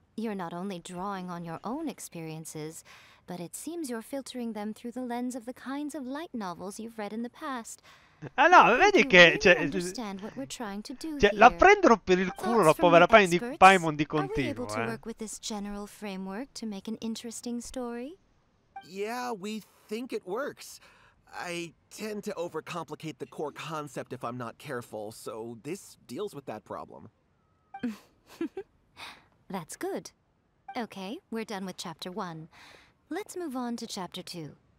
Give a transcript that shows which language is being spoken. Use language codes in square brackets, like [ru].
[en] You're not only drawing on your own experiences, but it seems you're filtering them through the lens of the kinds of light novels you've read in the past. [it] Ah no, vedi che... Cioè, la prendono per il culo la povera Paimon di continuo, [en] eh. Are we able to work with this general framework to make an interesting story? Yeah, we think it works. I tend to overcomplicate the core concept if I'm not careful, so this deals with that problem. That's good. Okay, we're done with chapter 1. Let's move on to chapter 2.